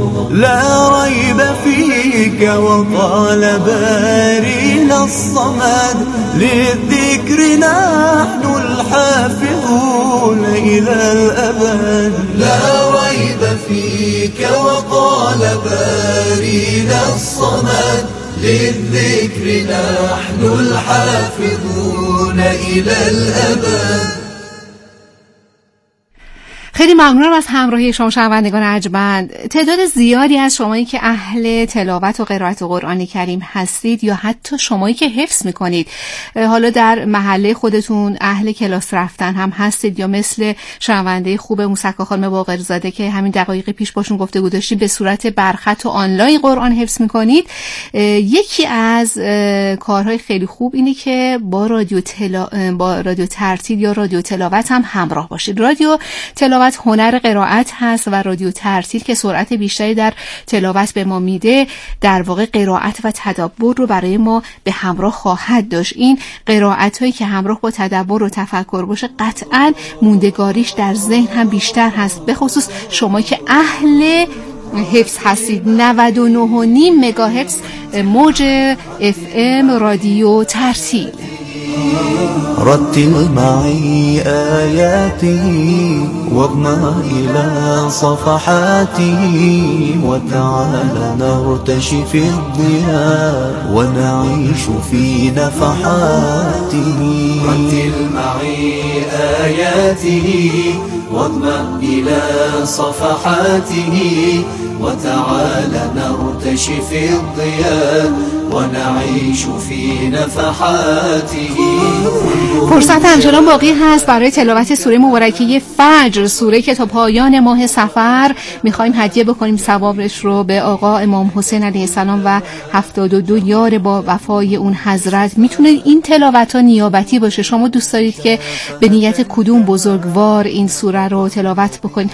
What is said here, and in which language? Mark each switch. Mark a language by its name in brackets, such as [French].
[Arabic] لا ريب فيك وطال بارين الصمد، للذكر نحن الحافظون إلى الأبد. لا ريب فيك وطال بارين الصمد، للذكر نحن الحافظون إلى الأبد. [Persian] خیلی ممنونم از همراهی شما شنوندگان عجبند. تعداد زیادی از شمایی که اهل تلاوت و قرائت قرآن کریم هستید یا حتی شمایی که حفظ میکنید، حالا در محله خودتون اهل کلاس رفتن هم هستید یا مثل شنونده خوب موسکا خانم باقرزاده که همین دقایق پیش باشون گفتگو داشتید به صورت برخط و آنلاین قرآن حفظ میکنید، یکی از کارهای خیلی خوب اینه که با رادیو ترتیل یا رادیو تلاوت هم همراه باشید. رادیو تلاوت هنر قرائت هست و رادیو ترتیل که سرعت بیشتری در تلاوت به ما میده، در واقع قرائت و تدبر رو برای ما به همراه خواهد داشت. این قرائت هایی که همراه با تدبر و تفکر باشه قطعا موندگاریش در ذهن هم بیشتر هست، به خصوص شما که اهل حفظ هستید. 99.5 مگاهرتز موج اف ام رادیو ترتیل. [Arabic] رتل معي آياتي واضم إلى صفحاتي وتعال نرتشي في الضياء ونعيش في نفحاتي. رتل معي آياتي واضم إلى صفحاتي وتعال نرتشي في الضياء ونعيش في نفحاته. [Persian] فرصت همچنان باقی هست برای تلاوت سوره مبارکه فجر، سوره که تا پایان ماه صفر میخواییم هدیه بکنیم ثوابش رو به آقا امام حسین علیه السلام و 72 یار با وفای اون حضرت. میتونه این تلاوت ها نیابتی باشه، شما دوست دارید که به نیت کدوم بزرگوار این سوره رو تلاوت بکنید.